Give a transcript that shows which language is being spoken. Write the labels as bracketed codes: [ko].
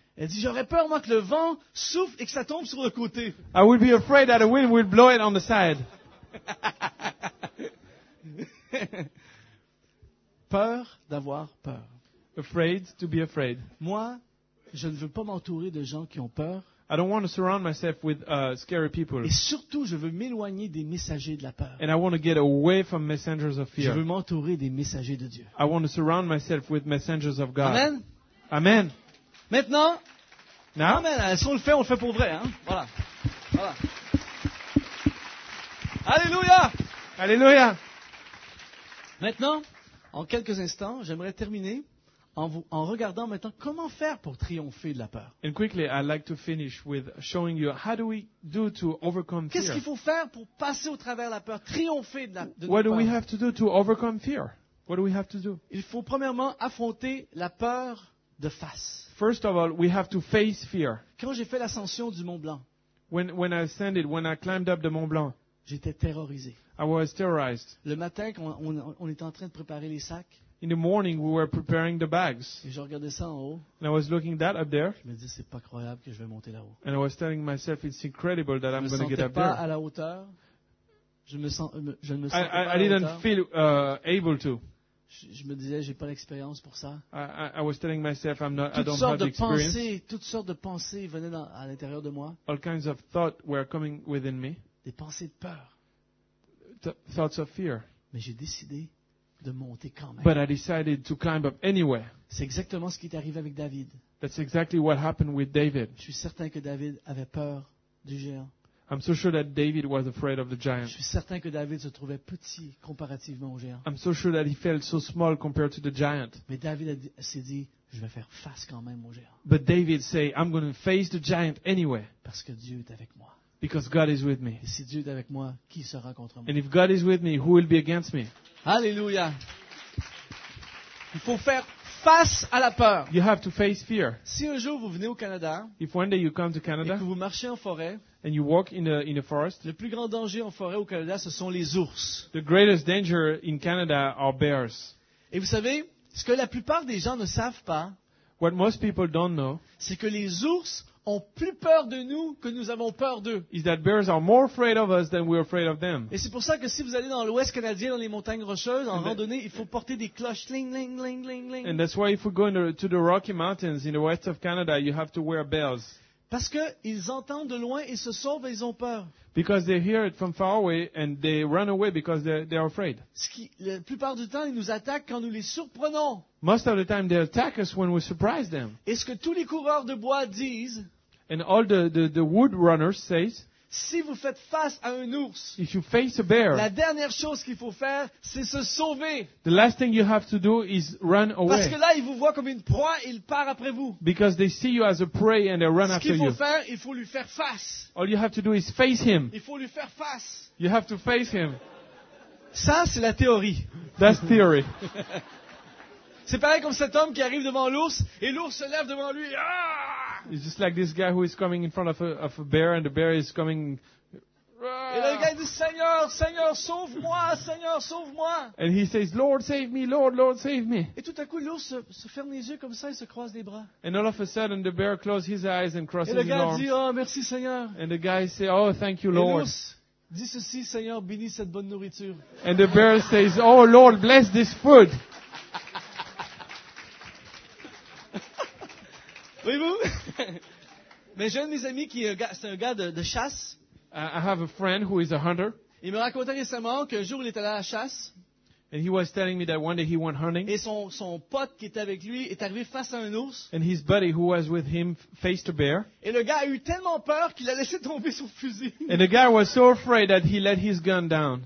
[fr] Elle dit, j'aurais peur, moi, que le vent souffle et que ça tombe sur le côté. [en] I would be afraid that a wind would blow it on the side. [fr] Peur d'avoir peur. [en] Afraid to be afraid. [fr] Moi, je ne veux pas m'entourer de gens qui ont peur. [en] I don't want to surround myself with scary people. [fr] Et surtout, je veux m'éloigner des messagers de la peur. [en] And I want to get away from messengers of fear. [fr] Je veux m'entourer des messagers de Dieu. [en] I want to surround myself with messengers of God. Amen. Amen. [fr] Maintenant, [en] now? Amen. [fr] Si on le fait pour vrai. Hein? Voilà. Voilà. Alléluia. Alléluia. Maintenant, en quelques instants, j'aimerais terminer en regardant maintenant comment faire pour triompher de la peur. [en] And quickly, I'd like to finish with showing you how do we do to overcome fear. [fr] Qu'est-ce qu'il faut faire pour passer au travers de la peur, triompher de la peur? [en] What do we have to do to overcome fear? What do we have to do? [fr] Il faut premièrement affronter la peur de face. [en] First of all, we have to face fear. [fr] Quand j'ai fait l'ascension du Mont Blanc, [en] when I climbed up the Mont Blanc, [fr] j'étais terrorisé. [en] I was terrorized. [fr] Le matin, quand on était en train de préparer les sacs. [en] In the morning, we were preparing the bags. [fr] Et je regardais ça en haut. [en] And I was looking that up there. [fr] Je me disais, c'est pas croyable que je vais monter là-haut. [en] And I was telling myself, it's incredible that I'm going to get up there. [fr] Je me sentais pas à la hauteur. [en] I didn't feel able to. [fr] Je me disais, j'ai pas l'expérience pour ça. [en] I was telling myself, I'm not. [fr] Toutes sortes de pensées, venaient à l'intérieur de moi. [en] All kinds of thoughts were coming within me. [fr] Des pensées de peur. [en] Thoughts of fear. [fr] Mais j'ai décidé de monter quand même. [en] But I decided to climb up anyway. [fr] C'est exactement ce qui est arrivé avec David. [en] That's exactly what happened with David. [fr] Je suis certain que David avait peur du géant. [en] I'm so sure that David was afraid of the giant. [fr] Je suis certain que David se trouvait petit comparativement au géant. [en] I'm so sure that he felt so small compared to the giant. [fr] Mais David s'est dit, je vais faire face quand même au géant. [en] But David said, I'm going to face the giant anyway. [fr] Parce que Dieu est avec moi. [en] Because God is with me. [fr] Et si Dieu est avec moi, qui sera contre moi? [en] And if God is with me, who will be against me? [fr] Alléluia. Il faut faire face à la peur. [en] You have to face fear. [fr] Si un jour vous venez au Canada, [en] if one day you come to Canada, [fr] et que vous marchez en forêt, [en] and you walk in a forest, [fr] le plus grand danger en forêt au Canada, ce sont les ours. [en] The greatest danger in Canada are bears. [fr] Et vous savez, ce que la plupart des gens ne savent pas, [en] what most people don't know, [fr] c'est que les ours ont plus peur de nous que nous avons peur d'eux. [en] Is that bears are more afraid of us than we're afraid of them. [fr] Et c'est pour ça que si vous allez dans l'Ouest canadien, dans les montagnes rocheuses, en randonnée, il faut porter des cloches. Ling, ling, ling, ling, ling. [en] And that's why if we go to the Rocky Mountains in the west of Canada, you have to wear bells. [fr] Parce qu'ils entendent de loin, ils se sauvent et ils ont peur. [en] Because they hear it from far away and they run away because they are afraid. [fr] La plupart du temps, ils nous attaquent quand nous les surprenons. [en] Most of the time, they attack us when we surprise them. [fr] Et ce que tous les coureurs de bois disent. [en] And all the wood runners say, [fr] si vous faites face à un ours, [en] if you face a bear, [fr] la dernière chose qu'il faut faire, c'est se sauver. [en] The last thing you have to do is run away. [fr] Parce que là, il vous voit comme une proie, il part après vous. [en] Because they see you as a prey and they run ce after you. [fr] Ce qu'il faut faire, il faut lui faire face. [en] All you have to do is face him. [fr] Il faut lui faire face. [en] You have to face him. [fr] Ça, c'est la théorie. [en] That's theory. [fr] C'est pareil comme cet homme qui arrive devant l'ours et l'ours se lève devant lui. Ah! [en] It's just like this guy who is coming in front of a bear and the bear is coming. [fr] Et le gars dit, Seigneur, Seigneur, sauve-moi, Seigneur, sauve-moi. [en] And he says, Lord, save me, Lord, Lord, save me. [fr] Et tout à coup, l'ours se ferme les yeux comme ça et se croise les bras. [en] And all of a sudden, the bear closes his eyes and crosses his arms. [fr] Et le gars dit, oh, merci, Seigneur. [en] And the guy says, oh, thank you, Lord. [fr] Et l'ours dit ceci, Seigneur, bénis cette bonne nourriture. [en] And the bear says, oh, Lord, bless this food. [fr] Voyez-vous? Mais j'ai un de mes amis qui est un gars de chasse. [en] I have a friend who is a hunter. [fr] Il me racontait récemment qu'un jour il était allé à la chasse. [en] And he was telling me that one day he went hunting. [fr] Et son pote qui était avec lui est arrivé face à un ours. [en] And his buddy who was with him faced a bear. [fr] Et le gars a eu tellement peur qu'il a laissé tomber son fusil. [en] And the guy was so afraid that he let his gun down.